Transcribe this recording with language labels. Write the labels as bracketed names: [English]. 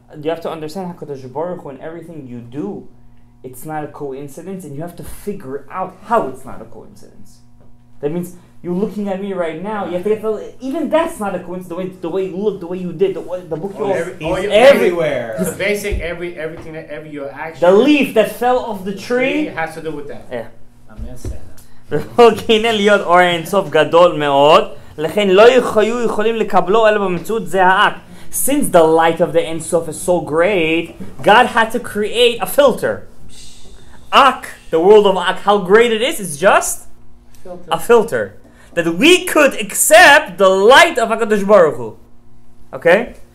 [English] You have to understand HaKadosh Baruch Hu in everything you do, it's not a coincidence, and you have to figure out how it's not a coincidence. That means you're looking at me right now, you have to get to, even that's not a coincidence, the way you look, the way you did, the book you everywhere. He's basic, everything, that every your action. The leaf that fell off the tree. It has to do with that. Yeah. I'm missing that. [Hebrew] הנה להיות אור אינסוף גדול מאוד לכן לא יכולים לקבלו אלא במציאות זה האק [English] since the light of the Ein Sof is so great, God had to create a filter. Ak, the world of Ak, how great it is just a filter. That we could accept the light of HaKadosh Baruch Hu. Okay?